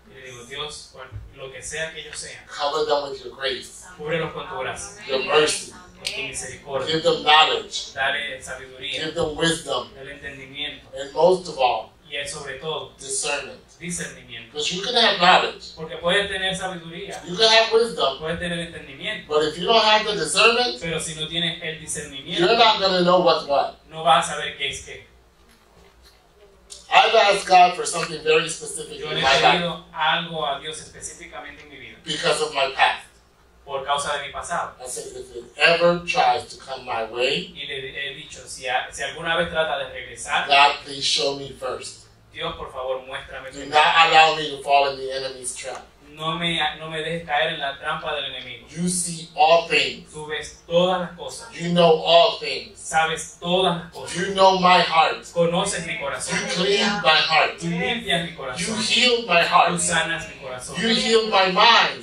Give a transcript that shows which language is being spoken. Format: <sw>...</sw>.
<es>y le digo, Dios, lo que sea que ellos sean,</es> <en>cover them with your grace,</en> <es>cúbrelos con tu gracia,</es> <en>your mercy,</en> <es>con tu misericordia,</es> <en>give them knowledge,</en> <es>dale sabiduría,</es> <en>give them wisdom,</en> <es>el entendimiento,</es> <en>and most of all,</en> <es>y sobre todo,</es> <en>discernment.</en> <es>Discernimiento.</es> <en>Because you can have knowledge.</en> <es>Porque puedes tener sabiduría.</es> <en>You can have wisdom.</en> <es>Puedes tener entendimiento.</es> <en>But if you don't have the discernment,</en> <es>pero si no tienes el discernimiento,</es> <en>you're not going to know what's what.</en> <es>No vas a saber qué es qué.</es> <en>I've asked God for something very specific</en> <es>yo</es> <en>in</en> <es>le</es> <en>my life.</en> <es>Yo he pedido algo a Dios específicamente en mi vida.</es> <en>Because of my past.</en> <es>Por causa de mi pasado.</es> <en>I said, if it ever tries to come my way,</en> <es>y le he dicho, si alguna vez trata de regresar,</es> <en>God, please show me first.</en> <es>Dios, por favor, muéstrame.</es> <en>Do not allow me to fall in the enemy's trap.</en> <es>no me dejes caer en la trampa del enemigo.</es> <en>You see all things.</en> <es>Tú ves todas las cosas.</es> <en>You know all things.</en> <es>Sabes todas las cosas.</es> <en>You know my heart.</en> <es>Conoces mi corazón.</es> <en>You clean my heart.</en> <es>Tú limpias mi corazón.</es> <en>You heal my heart.</en> <es>Tú sanas mi corazón.</es> <en>You heal my mind.</en>